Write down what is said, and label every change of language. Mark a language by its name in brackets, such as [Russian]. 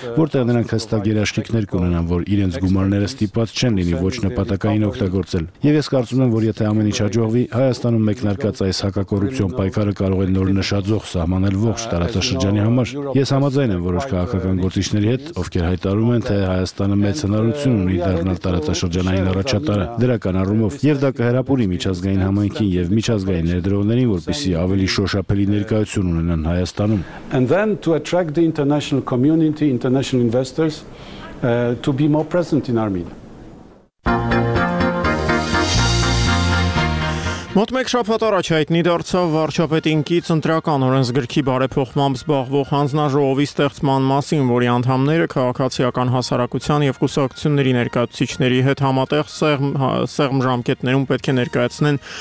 [Armenian] որտեղ նրանք հստակ երաշխիքներ կունենան, որ իրենց գումարները ստիպված չեն լինի ոչ նպատակային օգտագործել։ Եվ ես կարծում եմ, որ եթե ամեն ինչ հաջողվի, Հայաստանում մեկնարկած այս հակակոռուպցիոն պայքարը կարող է նոր նշաձող սահմանել ողջ տարածաշրջանի համար։ Ես համաձայն եմ որոշ քաղաքական գործիչների հետ, ովքեր հայտարարում են, թե Հայաստանը մեծ հնարություն ունի դառնալ տարածաշրջանային առաջատարը դրական առումով, և դա կհրապուրի միջազգային համայնքին և միջազգային ներդրողներին, որպեսզի ավելի շոշափելի ներկայություն ունենան Հայաստանում. [English] And then to attract the international community, international investors, to be more present in Armenia. [Armenian] Մոտ մեկ շաբաթ առաջ հայտնի դարձավ վարչապետի ընկից ընտրական օրենսգրքի բարեփոխմամբ զբաղվող հանձնաժողովի ստեղծման մասին, որի անդամները քաղաքացիական հասարակության և կուսակցությունների ներկայացուցիչների հետ համատեղ սեղմ ժամկետներում պետք է ներկայացնեն